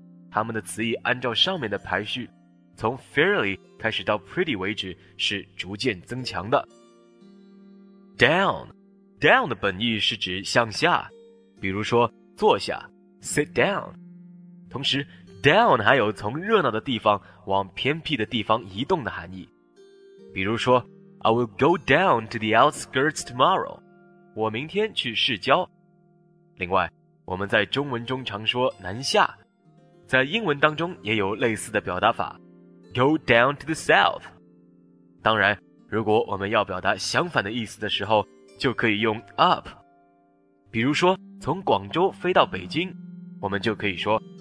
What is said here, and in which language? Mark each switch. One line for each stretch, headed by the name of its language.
Chinese: 它们的词义按照上面的排序，从 fairly 开始到 pretty 为止是逐渐增强的。
English: Down,
Chinese: down 的本意是指向下，比如说坐下，
English: sit down.
Chinese: 同时down 还有从热闹的地方往偏僻的地方移动的含义，比如说
English: I will go down to the outskirts tomorrow.
Chinese: 我明天去市郊。另外我们在中文中常说南下，在英文当中也有类似的表达法，
English: go down to the south.
Chinese: 当然如果我们要表达相反的意思的时候，就可以用 up， 比如说从广州飞到北京，我们就可以说